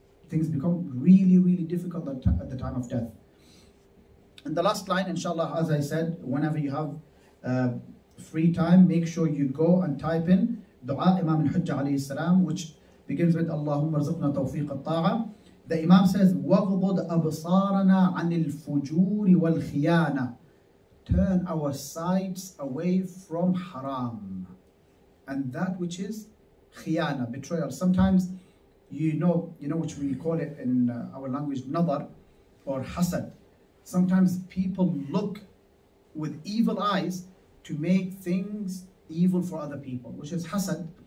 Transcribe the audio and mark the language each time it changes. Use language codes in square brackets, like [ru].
[en] Things become really, really difficult at the time of death. And the last line, inshallah, as I said, whenever you have free time, make sure you go and type in Dua Imam al-Hujjah alayhi salam, which begins with Allahumma rizqna tawfiq al-ta'a. The Imam says, [ar] وَغْضُضْ أَبْصَارَنَا عَنِ الْفُجُورِ وَالْخِيَانَةِ. [en] Turn our sights away from haram and that which is khiyana, betrayal. Sometimes you know what we call it in our language, nadar or hasad. Sometimes people look with evil eyes to make things evil for other people, which is hasad.